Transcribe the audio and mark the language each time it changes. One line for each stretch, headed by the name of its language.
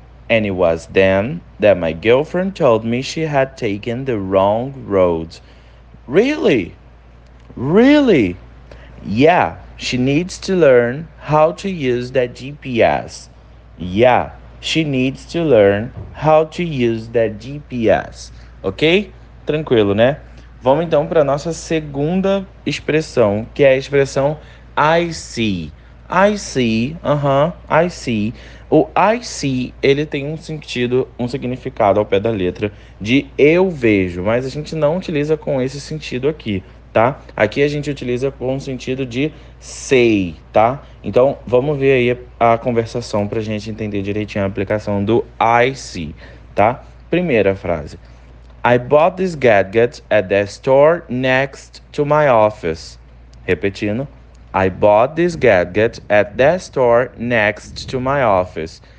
English: And it was then that my girlfriend told me she had taken the wrong road. Really? Really? Yeah, she needs to learn how to use that GPS. Yeah, she needs to learn how to use that GPS.
Portuguese: Ok? Tranquilo, né? Vamos então para a nossa segunda expressão, que é a expressão I see. I see, I see. O I see, ele tem um sentido, um significado ao pé da letra de eu vejo, mas a gente não utiliza com esse sentido aqui, tá? Aqui a gente utiliza com o sentido de sei, tá? Então, vamos ver aí a conversação para a gente entender direitinho a aplicação do I see, tá? Primeira frase.
English: I bought this gadget at the store next to my office.
Portuguese: Repetindo.
English: I bought this gadget at the store next to my office.